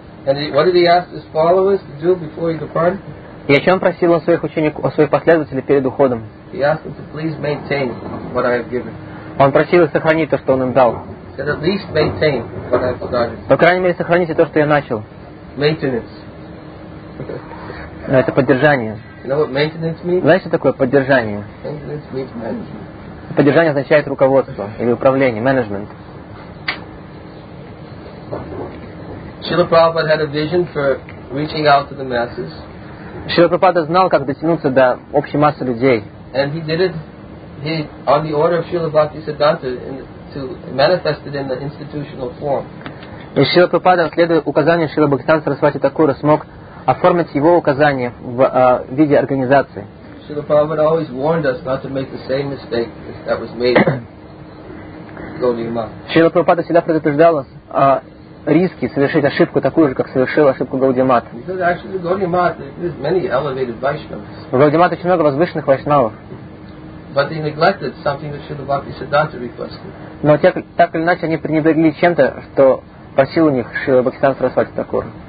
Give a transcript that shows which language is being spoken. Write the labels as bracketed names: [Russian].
[English] And what did he ask his followers to do before he departed? [Russian] И о чем он просил он своих учеников, о своих последователей перед уходом? [English] He asked them to please maintain what I have given. [Russian] Он просил их сохранить то, что он им дал. [English] Said, at least maintain what I have started. [Russian] По крайней мере, сохраните то, что я начал. [English] Maintenance. [Russian] Но это поддержание. [English] You know what maintenance means? [Russian] Знаешь, что такое поддержание? [English] Maintenance means management. [Russian] Поддержание означает руководство или управление, management. [English] Srila Prabhupada had a vision for reaching out to the masses. [Russian] Srila Prabhupada знал, как дотянуться до общей массы людей. [English] And he did it. He, on the order of Srila Bhaktisiddhanta, to manifest it in the institutional form. [Russian] И Srila Prabhupada, следуя указанию Srila Bhaktisiddhanta Sarasvati Thakura, смог оформить его указание в виде организации. [English] Srila Prabhupada always warned us not to make the same mistake that was made. [Russian] Srila Prabhupada всегда предупреждал нас. Риски совершить ошибку такую же, как совершил ошибку Гаудимат. В Гаудимат очень много возвышенных вайшнавов. Но так или иначе они пренебрегли чем-то, что просил у них Шрила Бхактисиддханта Сарасвати Такур.